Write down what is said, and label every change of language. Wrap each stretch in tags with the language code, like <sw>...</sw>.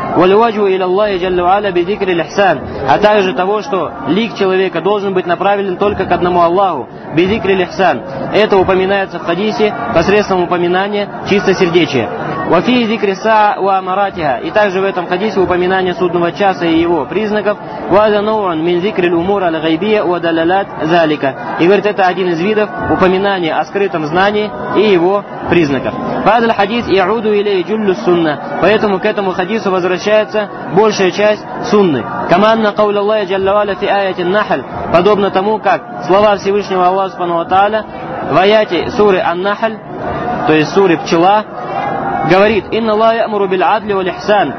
<ar>وَلْوَجْهُ إِلَى اللَّهِ جَلَّ وَعَلَى بِذِكْرِ الْإِحْسَانِ</ar> <ru>А также того, что лик человека должен быть направлен только к одному Аллаху,</ru> <ar>بِذِكْرِ الْإِحْسَانِ</ar> <ru>Это упоминается в хадисе посредством упоминания чистосердечия.</ru> <ar>وَفِيهِ ذِكْرِ السَّاعَةِ وَأَمَارَاتِهَا</ar> <ru>И также в этом хадисе упоминание судного часа и его признаков.</ru> <ar>وَهَذَا نَوْعٌ مِنْ ذِكْرِ الْأُمُورِ الْغَيْبِيَّةِ وَدَلَالَاتِ ذَلِكَ</ar> <ru>И говорит, это один из видов упоминания о скрытом знании и его признаках.</ru> <ar>هذا الحديث يعود إليه جل السنة.</ar> <ru>Поэтому к этому хадису возвращается большая часть сунны.</ru> <ar>كَمَانَ قَوْلَ اللَّهِ جَلَّ وَعَلَى فِي آيَةِ النَّحْلِ</ar> <ru>Подобно тому, как слова Всевышнего Аллаха Субхану ва Тааля в аяте суры «Ан-Нахль», то есть суры «Пчела», говорит</ru> <ar>«Инна Аллах ямуру биль адли валь ихсан».</ar>